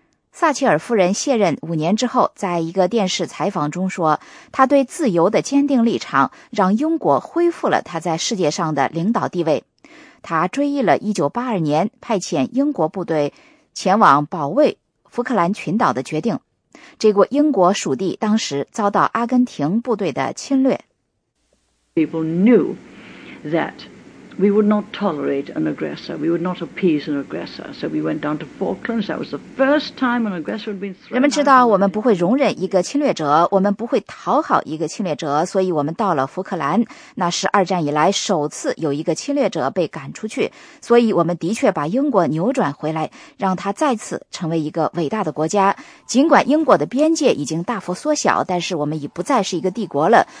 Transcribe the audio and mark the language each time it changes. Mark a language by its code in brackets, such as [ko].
[zh] 撒切尔夫人卸任五年之后，在一个电视采访中说，他对自由的坚定立场让英国恢复了他在世界上的领导地位。他追忆了1982年派遣英国部队前往保卫福克兰群岛的决定，这个英国属地当时遭到阿根廷部队的侵略。 [en] People knew that we would not tolerate an aggressor. We would not appease an aggressor. So we went down to Falklands. That was the first time an aggressor had been threatened. [zh] 人们知道我们不会容忍一个侵略者，我们不会讨好一个侵略者，所以我们到了福克兰。那是二战以来首次有一个侵略者被赶出去，所以我们的确把英国扭转回来，让它再次成为一个伟大的国家。尽管英国的边界已经大幅缩小，但是我们已不再是一个帝国了。